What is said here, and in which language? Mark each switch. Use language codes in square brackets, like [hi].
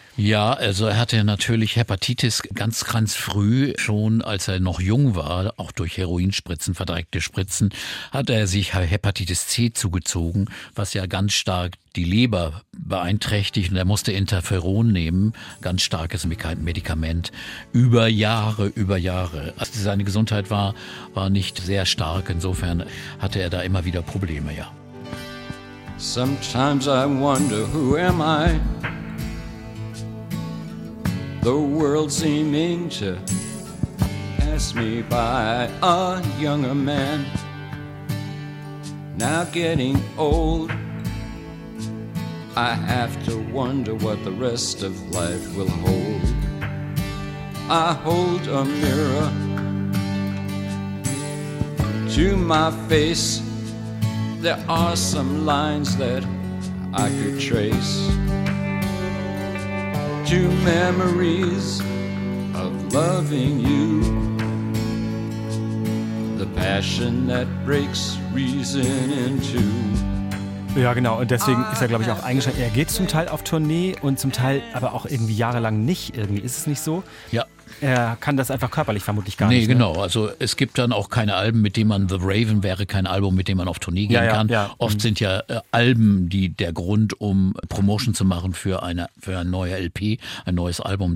[de] Ja, also er hatte natürlich Hepatitis ganz, ganz früh, schon als er noch jung war, auch durch Heroinspritzen, verdreckte Spritzen, hat er sich Hepatitis C zugezogen, was ja ganz stark die Leber beeinträchtigt, und er musste Interferon nehmen, ganz starkes Medikament, über Jahre. Also seine Gesundheit war nicht sehr stark, insofern hatte er da immer wieder Probleme, ja. [en] Sometimes I wonder, who am I? The world seeming to pass me by, a younger man, now getting old. I have to wonder what the rest of life will hold. I hold a mirror to my face. There are some lines that I could trace. Two memories of loving you. The passion that breaks reason in two. [de] Ja, genau. Und deswegen ist er, glaube ich, auch eingeschränkt. Er geht zum Teil auf Tournee und zum Teil aber auch irgendwie jahrelang nicht. Irgendwie ist es nicht so. Ja. Er kann das einfach körperlich vermutlich gar nicht. Nee, genau. Also es gibt dann auch keine Alben, mit denen man, The Raven wäre kein Album, mit dem man auf Tournee gehen kann. Ja. Oft sind ja Alben die der Grund, um Promotion zu machen für eine neue LP, ein neues Album.